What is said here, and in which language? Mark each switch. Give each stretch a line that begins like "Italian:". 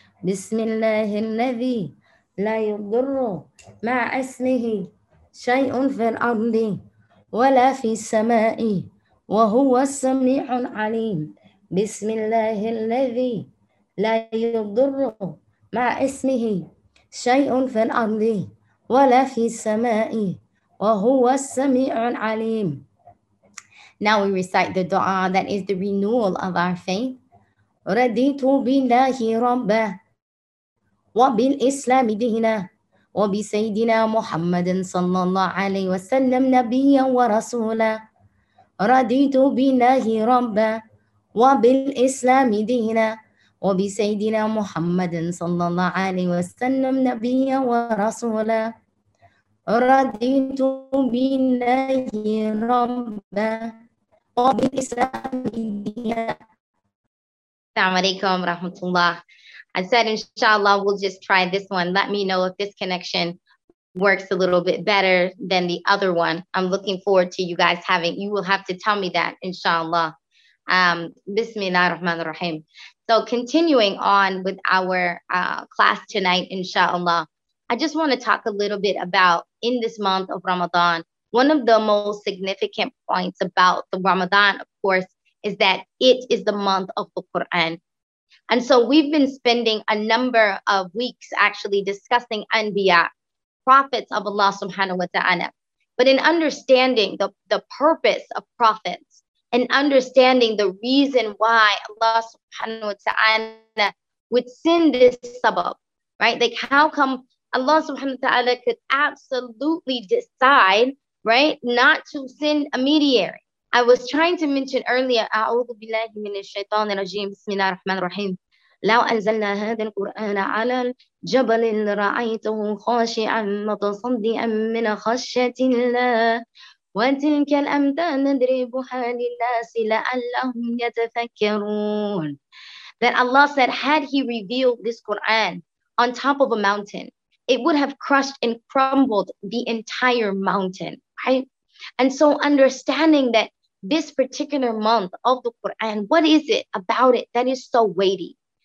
Arabic: بسم الله الذي لا يضر مع اسمه شيء في الأرض ولا في السماء وهو السميع العليم. بسم الله الذي لا يضر مع اسمه شيء في الأرض ولا في السماء وهو السميع العليم.
English: Now we recite the dua that is the renewal of our faith.
Arabic: رديت بالله ربا وبالإسلام دينا وبسيدنا محمد صلى الله عليه وسلم نبيا ورسولا. رديت بالله ربا وبالإسلام دينا وبسيدنا محمد صلى الله عليه وسلم نبيا ورسولا. رديت بالله ربا وبالإسلام دينا. السلام عليكم ورحمة الله.
English: I said, inshallah, we'll just try this one. Let me know if this connection works a little bit better than the other one. I'm looking forward to you guys having, you will have to tell me that, inshallah. Bismillah ar-Rahman ar-Rahim. So continuing on with our class tonight, inshallah, I just want to talk a little bit about in this month of Ramadan, one of the most significant points about the Ramadan, of course, is that it is the month of the Quran. And so we've been spending a number of weeks actually discussing Anbiya, prophets of Allah subhanahu wa ta'ala. But in understanding the purpose of prophets and understanding the reason why Allah subhanahu wa ta'ala would send this sabab, right? Like how come Allah subhanahu wa ta'ala could absolutely decide, right, not to send a mediator? I was trying to mention earlier,
Arabic: أَعُوذُ بِاللَّهِ مِنَ الشَّيْطَانِ الرَّجِيمِ بِسْمِ اللَّهِ الرَّحْمَنِ الرَّحِيمِ لَوْ أَنزَلْنَا هَذَا الْقُرْآنَ عَلَى جَبَلٍ لَرَأَيْتَهُ خَاشِعًا مُتَصَدِّئًا مِنْ خَشْيَةِ اللَّهِ وَتِلْكَ الْأَمْثَالُ نَضْرِبُهَا لِلنَّاسِ لَعَلَّهُمْ يَتَفَكَّرُونَ.
English: That Allah said, had he revealed this Quran on top of a mountain, it would have crushed and crumbled the entire mountain, right? And so understanding that this particular month of the Quran, what is it about it that is so weighty?